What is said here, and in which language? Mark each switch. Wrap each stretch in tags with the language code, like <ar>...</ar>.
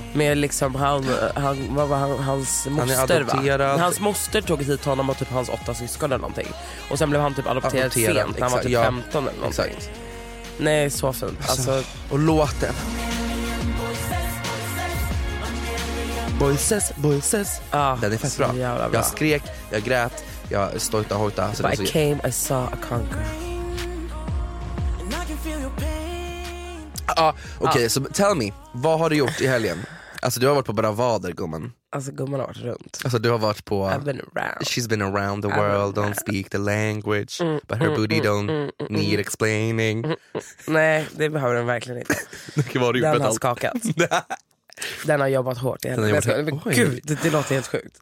<sv>Med liksom hans moster tog hit honom och typ hans 8 syskon eller någonting. Och sen blev han typ adopterad sent, exakt, när han var typ 15 eller någonting. Exakt. Nej, så fint. Alltså. Och låten. Boises. Ah, den är fett bra. Jag skrek, jag grät, jag stojta hojta.</sv> <en>But I came, I saw, I conquered.</en> <sv>Så</sv> <en>tell me,</en> <sv>vad har du gjort i helgen? Alltså du har varit på Bravader, gumman. Alltså gumman har varit runt. Alltså du har varit på,</sv> <en>I've been around. She's been around the world, don't speak the language. But her booty don't need explaining.</en> <sv>Nej, det behöver den verkligen inte. Den har skakat. Den har jobbat hårt i helgen. Gud, det låter helt sjukt.</sv>